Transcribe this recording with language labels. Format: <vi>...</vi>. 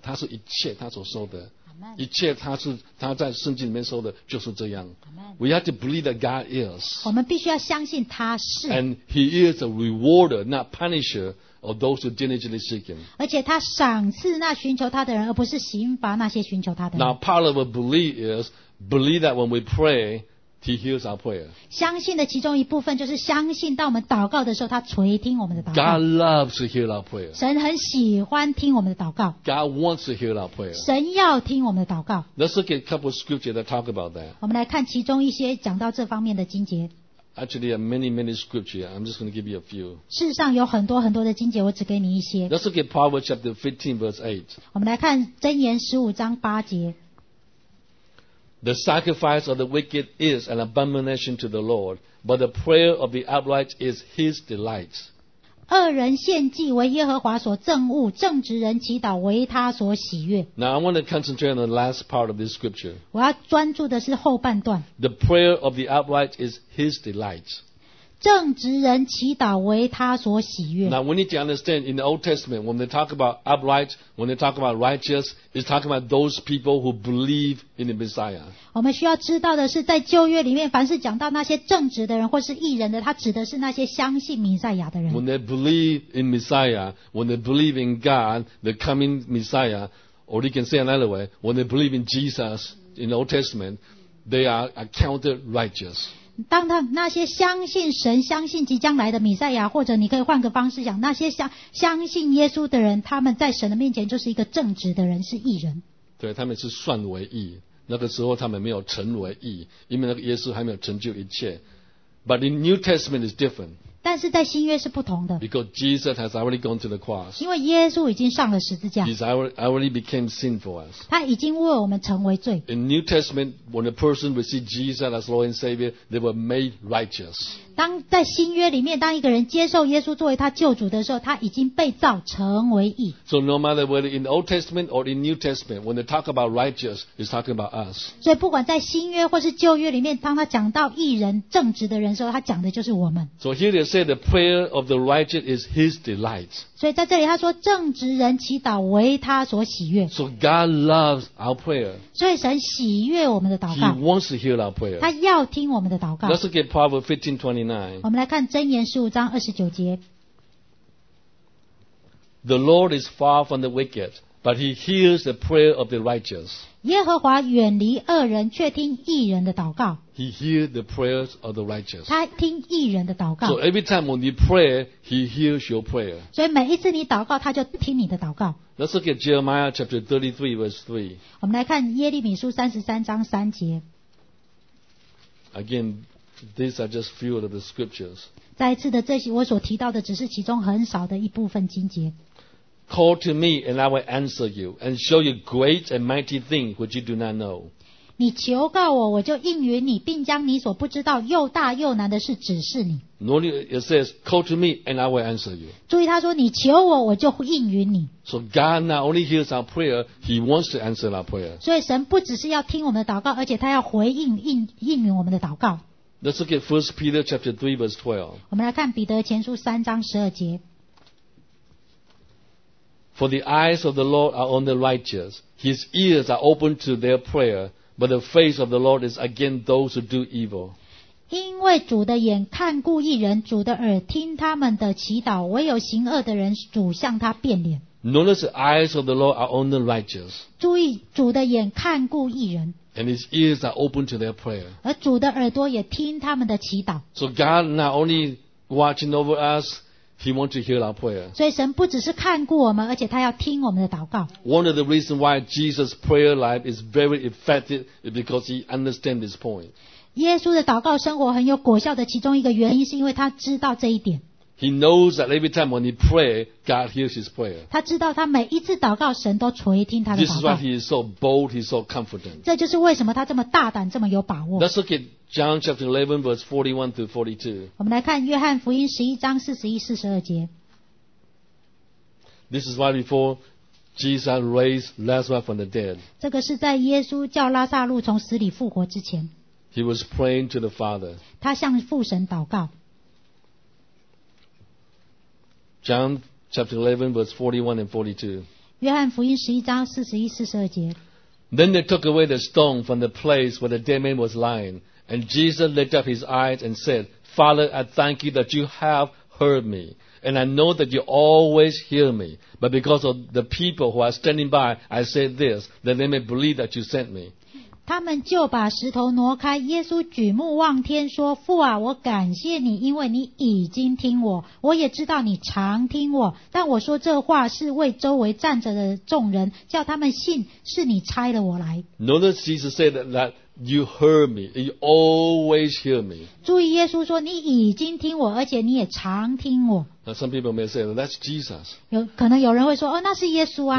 <zh>他是一切他所说的，一切他在圣经里面说的就是这样。</zh> <en>We have to believe that God is.</en> <zh>我们必须要相信他是。</zh> <en>And He is a rewarder, not punisher. Of those who diligently seek him.</en> <zh>而且他赏赐那寻求他的人，而不是刑罚那些寻求他的人。</zh> <en>Now part of a belief is believe that when we pray, he hears our prayer.</en> <zh>相信的其中一部分就是相信，当我们祷告的时候，他垂听我们的祷告。</zh> <en>God loves to hear our prayer.</en> <zh>神很喜欢听我们的祷告。</zh> <en>God wants to hear our prayer.</en> <zh>神要听我们的祷告。</zh> <en>Let's look at a couple of scriptures that talk about that.</en> <zh>我们来看其中一些讲到这方面的经节。</zh> <en>Actually, there are many, many scriptures. I'm just going to give you a few.</en> <zh>事实上有很多很多的经节，我只给你一些。</zh> <en>Let's look at Proverbs chapter 15, verse 8.</en> <zh>我们来看箴言十五章八节。</zh> <en>The sacrifice of the wicked is an abomination to the Lord, but the prayer of the upright is His delight.</en> <zh>恶人献祭为耶和华所憎恶，正直人祈祷为他所喜悦。</zh> <en>Now I want to concentrate on the last part of this scripture.</en> <zh>我要专注的是后半段。</zh> <en>The prayer of the upright is His delight.</en> <zh>正直人祈祷为他所喜悦。</zh> <en>Now we need to understand in the Old Testament, when they talk about upright, when they talk about righteous, it's talking about those people who believe in the Messiah.</en> <zh>我们需要知道的是，在旧约里面，凡是讲到那些正直的人或是义人的，他指的是那些相信弥赛亚的人。</zh> <en>When they believe in Messiah, when they believe in God, the coming Messiah, or you can say another way, when they believe in Jesus in the Old Testament, they are accounted righteous.</en> <zh>当他那些相信神、相信即将来的弥赛亚，或者你可以换个方式讲，那些相信耶稣的人，他们在神的面前就是一个正直的人，是义人。对，他们是算为义。那个时候他们没有成为义，因为那个耶稣还没有成就一切。</zh> <en>But in New Testament is different.</en> <zh>但是在新约是不同的。</zh> <en>Because Jesus has already gone to the cross.</en> <zh>因为耶稣已经上了十字架。</zh> <en>He's already became sin for us.</en> <zh>他已经为我们成为罪。</zh> <en>In New Testament, when a person received Jesus as Lord and Savior, they were made righteous.</en> <zh>当在新约里面，当一个人接受耶稣作为他救主的时候，他已经被造成为义。</zh> <en>So no matter whether in the Old Testament or in New Testament, when they talk about righteous, it's talking about us.</en> <zh>所以不管在新约或是旧约里面，当他讲到义人、正直的人。所以他讲的就是我们。</zh> <en>So here they say the prayer of the righteous is His delight.</en> <zh>所以在这里他说，正直人祈祷为他所喜悦。</zh> <en>So God loves our prayer.</en> <zh>所以神喜悦我们的祷告。</zh> <en>He wants to hear our prayer.</en> <zh>他要听我们的祷告。</zh> <en>Let's look at Proverbs 15:29.</en> <zh>我们来看箴言十五章二十九节。</zh> <en>The Lord is far from the wicked, But he hears the prayer of the righteous.</en> <zh>耶和华远离恶人，却听义人的祷告。</zh> <en>He hears the prayers of the righteous.</en> <zh>他听义人的祷告。</zh> <en>So every time when you pray, he hears your prayer.</en> <zh>所以每一次你祷告，他就听你的祷告。</zh> <en>Let's look at Jeremiah chapter 33 verse 3.</en> <zh>我们来看耶利米书33章3节。</zh> <en>Again, these are just few of the scriptures.</en> <zh>再一次的，这些我所提到的只是其中很少的一部分经节。</zh> <en>Call to me and I will answer you and show you great and mighty things which you do not know.</en> <zh>你求告我，我就应允你，并将你所不知道又大又难的事指示你。</zh> <en>Notice it says, call to me and I will answer you.</en> <zh>注意他说，你求我，我就应允你。</zh> <en>So God not only hears our prayer, He wants to answer our prayer.</en> <zh>所以神不只是要听我们的祷告，而且他要回应应允我们的祷告。</zh> <en>Let's look at 1 Peter chapter 3 verse 12.</en> <zh>我们来看彼得前书三章十二节。</zh> <en>For the eyes of the Lord are on the righteous, His ears are open to their prayer, but the face of the Lord is against those who do evil.</en> <zh>因为主的眼看顾义人，主的耳听他们的祈祷，唯有行恶的人，主向他变脸。</zh> <en>Notice the eyes of the Lord are on the righteous.</en> <zh>注意主的眼看顾义人。</zh> <en>And His ears are open to their prayer.</en> <zh>而主的耳朵也听他们的祈祷。</zh> <en>So God not only watching over us,He wants to hear our prayer.</en> <zh>所以神不只是看顾我们，而且他要听我们的祷告。</zh> <en>One of the reasons why Jesus' prayer life is very effective is because he understands this point.</en> <zh>耶稣的祷告生活很有果效的其中一个原因是因为他知道这一点。</zh> <en>He knows that every time when he prays, God hears his prayer.</en> <zh>他知道他每一次祷告，神都垂听他的祷告。</zh> <en>This is why he is so bold, he is so confident.</en> <zh>这就是为什么他这么大胆，这么有把握。</zh> <en>Let's look at John chapter 11, verse 41 through 42.</en> <zh>我们来看约翰福音十一章四十一、四十二节。</zh> <en>This is why before Jesus raised Lazarus from the dead.</en> <zh>这个是在耶稣叫拉撒路从死里复活之前。</zh> <en>He was praying to the Father.</en> <zh>他向父神祷告。</zh> <en>John chapter 11 verse 41 and 42.</en> <zh>约翰福音十一章四十一、四十二节。</zh> <en>Then they took away the stone from the place where the dead man was lying, and Jesus lifted up his eyes and said, "Father, I thank you that you have heard me, and I know that you always hear me. But because of the people who are standing by, I say this, that they may believe that you sent me."</en> <zh>他们就把石头挪开，耶稣举目望天说，父啊，我感谢你，因为你已经听我，我也知道你常听我，但我说这话是为周围站着的众人，叫他们信是你差了我来。</zh> <en>Notice Jesus said that you heard me, you always hear me.</en> <zh>注意耶稣说，你已经听我，而且你也常听我。</zh> <en>Some people may say that's Jesus.</en> <zh>可能有人会说，哦，那是耶稣啊。</zh>